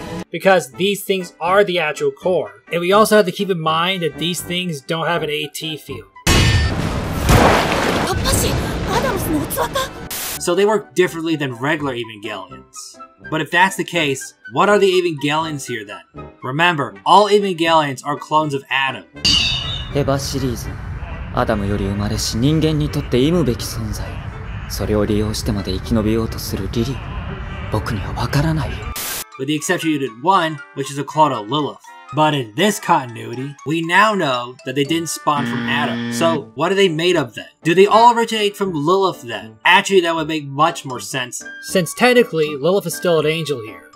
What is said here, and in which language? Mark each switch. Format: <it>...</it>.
<en>Because these things are the actual core. And we also have to keep in mind that these things don't have an AT field. So they work differently than regular Evangelions. But if that's the case, what are the Evangelions here then? Remember, all Evangelions are clones of Adam. Eva series.</en> <ja>Adam より生まれし人間にとって忌むべき存在。それを利用してまで生き延びようとするリリー。僕にはわからない。</ja> <en>With the exception of Unit 1, which is a clone of Lilith. But in this continuity, we now know that they didn't spawn from Adam. So, what are they made of then? Do they all originate from Lilith then? Actually, that would make much more sense. Since technically, Lilith is still an angel here.</en>